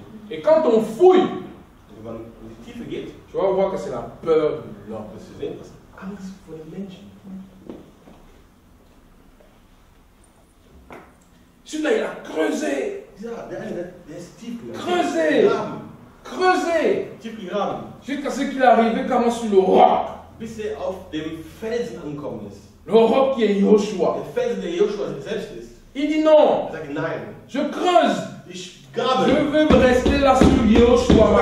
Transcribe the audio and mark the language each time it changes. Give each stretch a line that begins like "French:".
French: Et quand on fouille, tu vas voir que c'est la peur de l'homme. Celui-là, il a creusé. Jusqu'à ce qu'il arrive comme sur le roc.
German: Bis er auf dem Felsen angekommen ist.
French: Le roc qui est Joshua.
German: Der Felsen, der Joshua selbst ist.
French: Il dit non.
German: Er sagt nein.
French: Je creuse.
German: Ich grabe.
French: Je veux rester là sur Joshua, ma